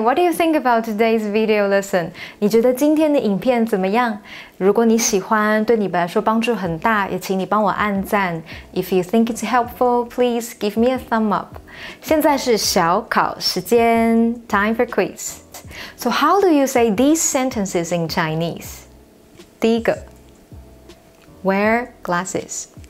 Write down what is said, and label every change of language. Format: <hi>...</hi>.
<en>What do you think about today's video lesson?</en> <zh>你觉得今天的影片怎么样?如果你喜欢, 对你来说帮助很大, 也请你帮我按赞。</zh> <en>If you think it's helpful, please give me a thumb up.</en> <zh>现在是小考时间,</zh> <en>time for quiz. So how do you say these sentences in Chinese?</en> <zh>第一个,</zh> <en>wear glasses.</en>